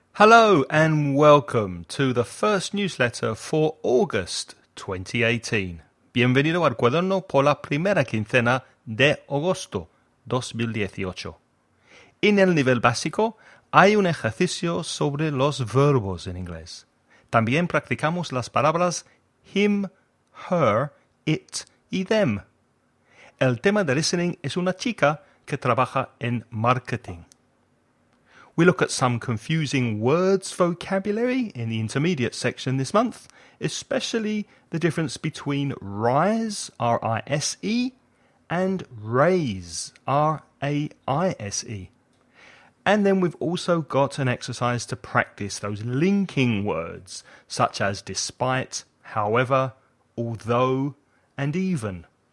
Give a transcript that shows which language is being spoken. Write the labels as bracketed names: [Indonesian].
[English] Hello and welcome to the first newsletter for August 2018. [Spanish] Bienvenido al cuaderno por la primera quincena de agosto 2018. En el nivel básico hay un ejercicio sobre los verbos en inglés. También practicamos las palabras him, her, it y them. El tema de listening es una chica que trabaja en marketing. [English] We look at some confusing words vocabulary in the intermediate section this month, especially the difference between rise, R-I-S-E, and raise, R-A-I-S-E. And then we've also got an exercise to practice those linking words, such as despite, however, although, and even.